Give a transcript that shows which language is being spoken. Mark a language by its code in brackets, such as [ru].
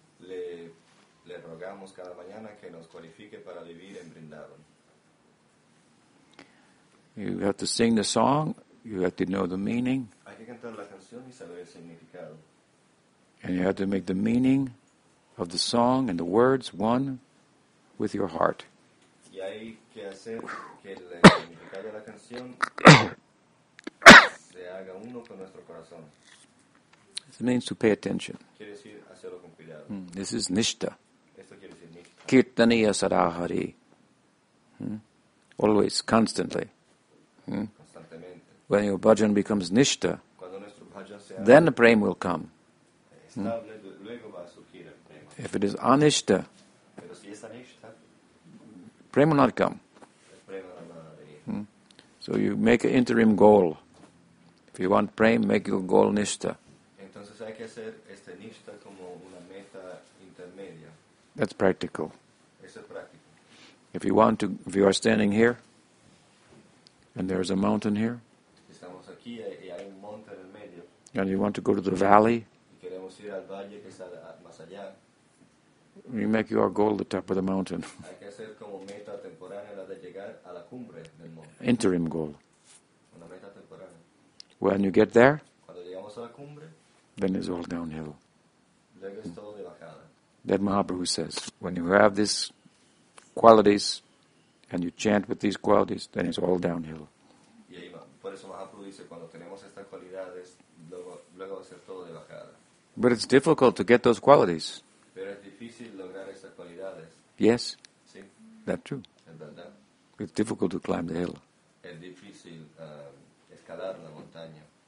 [es] Le rogamos cada mañana que nos cualifique para vivir en Vrindavan. [en] You have to sing the song, you have to know the meaning. [es] Hay que cantar la canción y saber el significado. [en] And you have to make the meaning of the song and the words one with your heart. [es] Y hay que hacer que el significado de la canción se haga uno con nuestro corazón. [en] It means to pay attention. [es] Quiere decir hacerlo con cuidado. [en] Mm, this is nishta. [es] Esto quiere decir nishta. Kirtaniya [en] sadahari. Always, constantly. [es] Constantemente. [en] When your bhajan becomes nishta, [es] cuando nuestro bhajan se [en] then the prema will come. Mm. If it is anishta, [es] pero si es anishta, [en] prema will not come. [es] Prema la [en] So you make an interim goal. If you want prema, make your goal nishta. [es] Entonces hay que hacer este nishta como una meta intermedia. [en] That's practical. [es] Eso es práctico. [en] If you want to, if you are standing here, and there is a mountain here, [es] estamos aquí y hay un monte en el medio. [en] And you want to go to the valley, [es] ir al valle que está más allá. [en] You make your goal the top of the mountain. [es] Hay que hacer como meta temporánea la de llegar a la cumbre del monte. [en] Interim goal. [es] Una meta temporánea. [en] When you get there, [es] cuando llegamos a la cumbre, [en] then it's all downhill. [es] Luego es todo de bajada. [en] That Mahaprabhu says, when you have these qualities and you chant with these qualities, then it's all downhill. [es] Y ahí va. Por eso Mahaprabhu dice, cuando tenemos estas cualidades, luego va a ser todo de bajada. [en] But it's difficult to get those qualities. [es] Pero es difícil lograr esas cualidades. [en] Yes. [es] Sí. [en] That true. [es] Es verdad. [en] It's difficult to climb the hill. [es] Es difícil, escalar la montaña.